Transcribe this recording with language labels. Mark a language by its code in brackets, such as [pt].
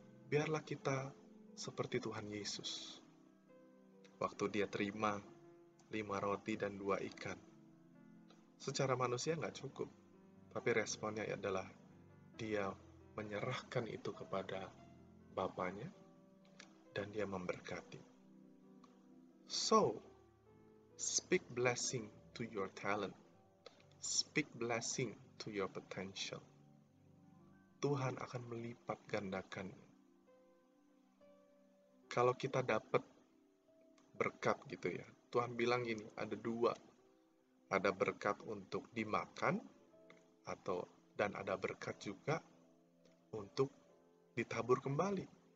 [id] Biarlah kita seperti Tuhan Yesus. Waktu dia terima 5 roti dan 2 ikan. Secara manusia nggak cukup. Tapi responnya adalah dia menyerahkan itu kepada Bapanya. Dan dia memberkati. [en] So, speak blessing to your talent. Speak blessing to your potential. [id] Tuhan akan melipat gandakan. Kalau kita dapat berkat gitu ya. Tuhan bilang gini, ada dua. Ada berkat untuk dimakan, atau dan ada berkat juga untuk ditabur kembali.